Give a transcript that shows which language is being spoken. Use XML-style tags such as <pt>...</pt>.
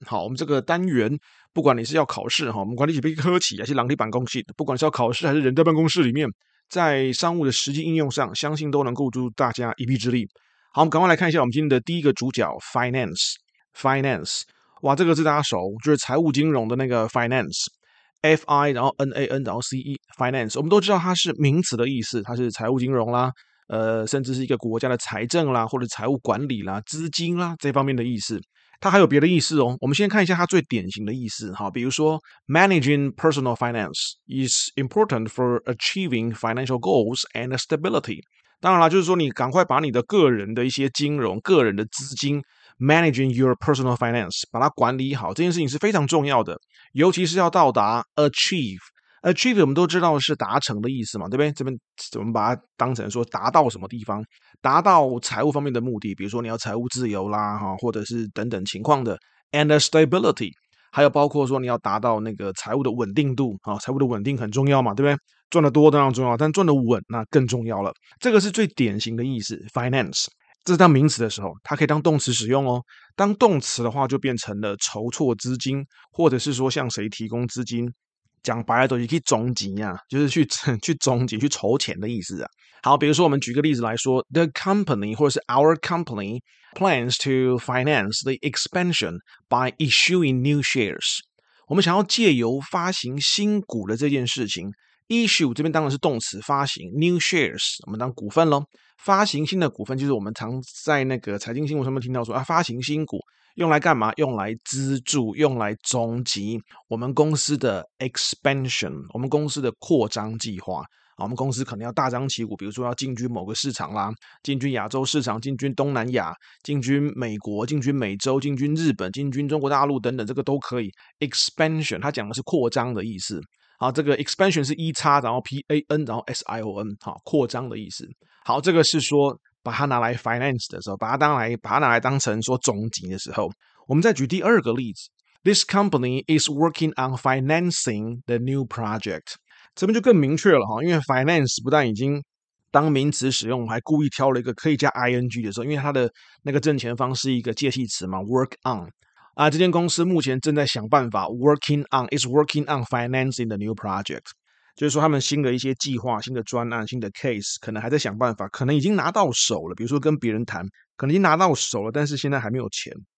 <zh>好，我们这个单元，不管你是要考试，我们管理起被科企还是狼体办公室，不管是要考试还是人在办公室里面，在商务的实际应用上，相信都能够助大家一臂之力。好，我们赶快来看一下我们今天的第一个主角 finance。 finance。哇，这个字大家熟，就是财务金融的那个 finance。 F-I, 然后 N-A-N, 然后 C-E, finance。我们都知道它是名词的意思，它是财务金融啦，甚至是一个国家的财政啦，或者财务管理啦，资金啦，这方面的意思。它还有别的意思哦，我们先看一下它最典型的意思。好，比如说</zh> <en>managing personal finance is important for achieving financial goals and stability。</en> <zh>当然啦，就是说你赶快把你的个人的一些金融，个人的资金，</zh> <en>managing your personal finance，</en> <zh>把它管理好，这件事情是非常重要的，尤其是要到达 achieve 我们都知道是达成的意思嘛，对不对？这边怎么把它当成说达到什么地方，达到财务方面的目的，比如说你要财务自由啦，或者是等等情况的</zh> <en>and stability，</en> <zh>还有包括说你要达到那个财务的稳定度，财务的稳定很重要嘛，对不对？赚得多当然重要，但赚得稳那更重要了。这个是最典型的意思 finance。这是当名词的时候，它可以当动词使用哦。当动词的话就变成了筹措资金，或者是说向谁提供资金，讲白了就是去总集啊，就是去总集，去筹钱的意思啊。好，比如说我们举个例子来说，</zh> <en>The company</en> <zh>或者是</zh> <en>our company plans to finance the expansion by issuing new shares。</en> <zh>我们想要借由发行新股的这件事情， issue 这边当然是动词发行， new shares 我们当股份咯，发行新的股份，就是我们常在那个财经新闻上面听到说啊，发行新股用来干嘛？用来资助，用来总集我们公司的 expansion， 我们公司的扩张计划。我们公司可能要大张旗鼓，比如说要进军某个市场啦，进军亚洲市场，进军东南亚，进军美国，进军美洲，进军日本，进军中国大陆等等，这个都可以。 expansion 它讲的是扩张的意思。好，这个 expansion 是 E-X 然后 P-A-N 然后 S-I-O-N， 好，扩张的意思。好，这个是说把它拿来 finance 的时候，把它拿来当成说总集的时候。我们再举第二个例子，</zh> <en>This company is working on financing the new project。</en> <zh>这边就更明确了，因为 finance 不但已经当名词使用，还故意挑了一个可以加 ing 的时候，因为它的那个挣钱方是一个介系词嘛， work on 啊，这间公司目前正在想办法 working on，</zh> <en>is working on financing the new project，</en> <zh>就是说他们新的一些计划，新的专案，新的 case， 可能还在想办法，可能已经拿到手了，比如说跟别人谈，可能已经拿到手了，但是现在还没有钱，</zh>